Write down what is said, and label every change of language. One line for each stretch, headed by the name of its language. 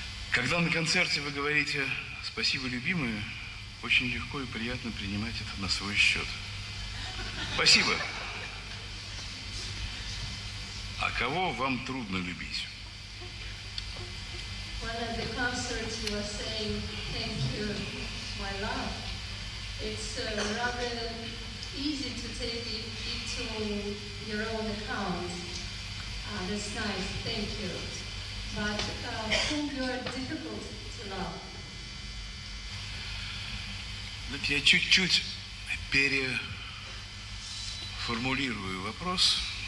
Russian: Когда на концерте вы говорите «спасибо, любимые», очень легко и приятно принимать это на свой счет. Спасибо. А кого вам трудно любить?
English: When at the concert you are saying thank you, my love, it's rather easy to take it to your own account. That's nice, thank you. But whom you are difficult to love? Look,
Russian: я чуть-чуть переформулирую вопрос.